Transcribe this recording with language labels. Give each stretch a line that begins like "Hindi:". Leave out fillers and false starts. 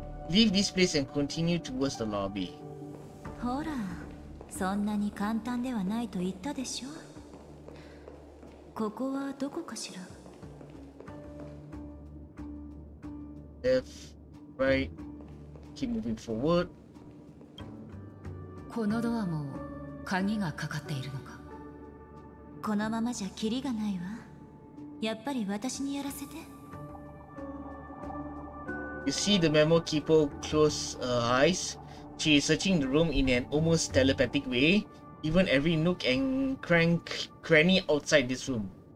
English: Leave this place and continue towards the lobby.
Japanese: ほら、そんなに簡単ではないと言ったでしょ。ここはどこかしら。
English: Left, right. Keep moving forward.
Japanese: このドアも鍵がかかっているのか。このままじゃキリがないわ。やっぱり私にやらせて。
English: You see the memo keeper close her eyes. She is searching the room in an almost telepathic way, even every nook and cranny outside this room.